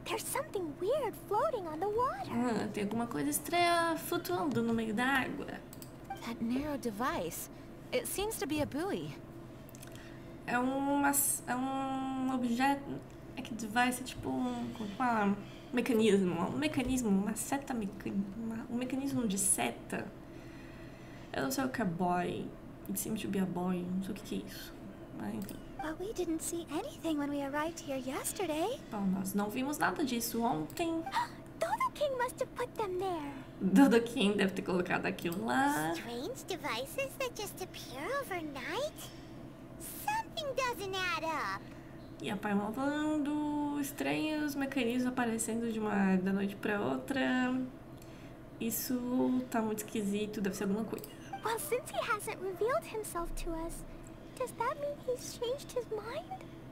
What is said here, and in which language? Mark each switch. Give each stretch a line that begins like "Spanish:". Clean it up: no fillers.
English: There's something weird floating on the water.
Portuguese: Tem alguma coisa estranha flutuando no meio da água.
English: That narrow device. It seems to be a buoy.
Portuguese: É um objeto. É que device é tipo um. Como fala? Um mecanismo. Uma seta mecânica. Um mecanismo de seta. Eu não sei o que é buoy.
English: It seems to be a buoy.
Portuguese: Não sei o que é isso. Mas enfim.
English: But we didn't see anything when we arrived here yesterday.
Portuguese: Bom, nós não vimos nada disso ontem.
English: Dodoking must have put them there.
Portuguese: Dodo King deve ter colocado aquilo lá.
English: Strange devices that just appear overnight? Something doesn't add up.
Portuguese: E a Paimon falando, estranhos mecanismos aparecendo de uma da noite para outra. Isso tá muito esquisito, deve ser alguma coisa.
English: Well, since he hasn't revealed himself to us, does that mean he's changed his mind?